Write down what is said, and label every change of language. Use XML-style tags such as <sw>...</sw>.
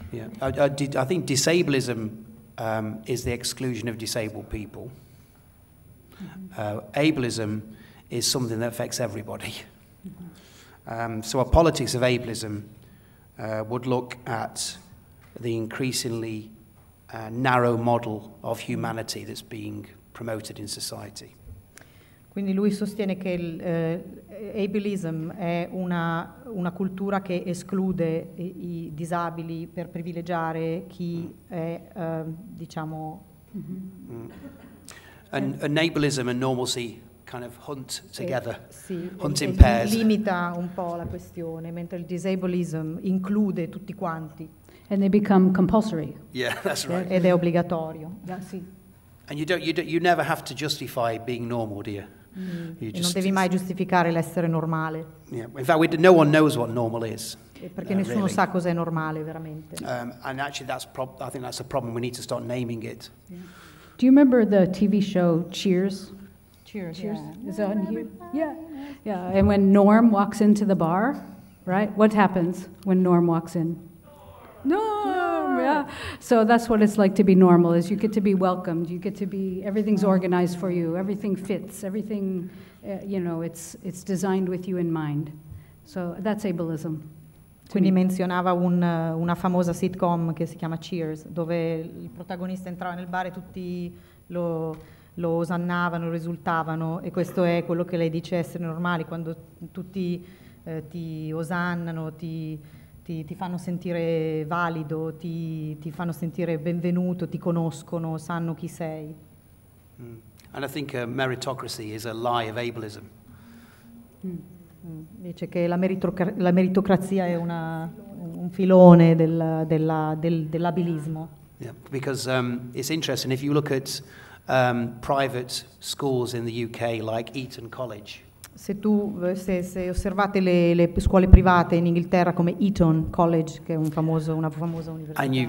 <en>Yeah, I think disablism is the exclusion of disabled people. Mm-hmm. Ableism is something that affects everybody. Mm-hmm. So a politics of ableism would look at the increasingly narrow model of humanity that's being promoted in society.</en> <it>Quindi lui sostiene che l'ableism è una cultura che esclude i disabili per privilegiare chi è, diciamo...</it> <en>And ableism and normalcy kind of hunt together,</en> <it>sì,</it> <en>hunt in pairs.</en> <it>Limita un po' la questione, mentre il disableism include tutti quanti.</it> <en>And they become compulsory. Yeah, that's right.</en> <it>Ed è obbligatorio.</it> <en>Yeah,</en> <it>sì.</it> <en>And you never have to justify being normal, do you?</en> <it>Non devi mai giustificare l'essere normale.</it> <en>Yeah. In fact, no one knows what normal is.</en> <it>Perché nessuno sa cos'è normale veramente.</it> <en>And actually, I think that's a problem. We need to start naming it. Yeah. Do you remember the TV show Cheers? Cheers. Cheers. Yeah. Is that on here? Yeah. Yeah. And when Norm walks into the bar, right? What happens when Norm walks in? Norm. Yeah. So that's what it's like to be normal, is you get to be welcomed. You get to be, everything's organized for you. Everything fits. Everything, you know, it's designed with you in mind. So that's ableism.</en> <it>Quindi menzionava una famosa sitcom che si chiama Cheers, dove il protagonista entrava nel bar e tutti lo osannavano, lo esultavano, e questo è quello che lei dice essere normale, quando tutti ti osannano, ti fanno sentire valido, ti fanno sentire benvenuto, ti conoscono, sanno chi sei.</it> <en>And I think a meritocracy is a lie of ableism. Mm.</en> <it>Dice che la meritocrazia è un filone dell'abilismo.</it> <en>Yeah, because it's interesting, if you look at private schools in the UK like Eton College.</en> <it>Se osservate le scuole private in Inghilterra come Eton College, che è una famosa università.</it>